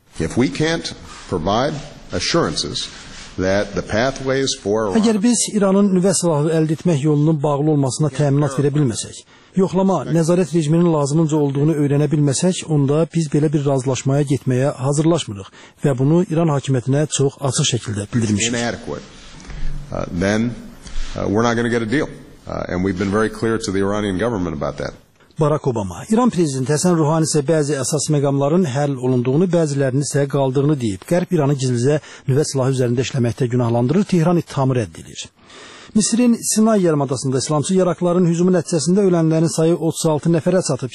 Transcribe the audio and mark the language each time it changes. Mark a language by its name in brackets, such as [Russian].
[Azerbaijani] Əgər biz İranın nüvə silahı əldə etmək yolunun bağlı olmasına təminat verə bilməsək, yoxlama, nəzarət rejiminin lazımınca olduğunu öyrənə bilməsək, onda biz belə bir razılaşmaya getməyə hazırlaşmırıq və bunu İran hakimiyyətinə çox açıq şəkildə bildirmişik. [English] And we've been very clear to the Iranian government about that. [Azerbaijani] Barack Obama, İran prezidenti Həsən Ruhani isə bəzi əsas məqamların həll olunduğunu, bəzilərini isə qaldığını deyib. Qərb İranı gizlicə nüvə silahı üzərində işləməkdə günahlandırır, Tehran ittihamı rədd edir. Misrin Sinay yarımadasında İslamçı yaraqların hücumu nəticəsində ölənlərin sayı 36 nəfərə çatıb.